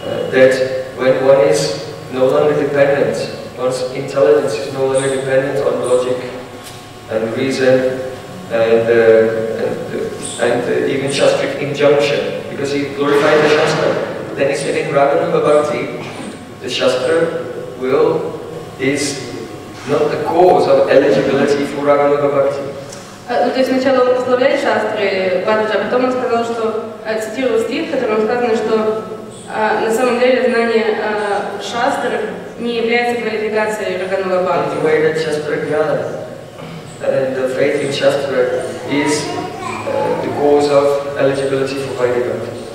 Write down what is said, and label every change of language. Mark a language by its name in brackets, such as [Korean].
[English] That when one is no longer dependent, one's intelligence is no longer dependent on logic and reason and even shastric injunction, because he glorified the shastra. Then he said in Rāganuga Bhakti, the shastra will is not the cause of eligibility for Rāganuga Bhakti. [Russian] Ну, то есть сначала он прославляет шастры, Баджа, а потом он сказал, что, цитировал стих, в котором сказано, что на самом деле знание шастр не является квалификацией Рагануга Бхакти. [English] The way that shastra jnana and the faith in shastra is the cause of eligibility for Vaidic Bhakti.